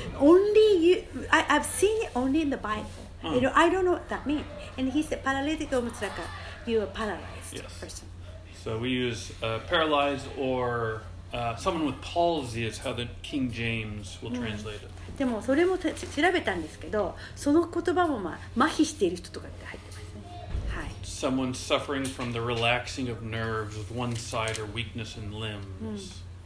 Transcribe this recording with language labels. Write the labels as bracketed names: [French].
[English] Only you, I've seen it only in the Bible.、Oh. You know, I don't know what that means. And he said, paralytic almost like a, you are paralyzed、 yes. person. So we use、paralyzed or... someone with palsy is how the King James will translate it. [Japanese] でもそれも調べたんですけど、その言葉もまあ麻痺している人とかって入ってますね。はい。 [English] Someone suffering from the relaxing of nerves with one side or weakness in limbs.、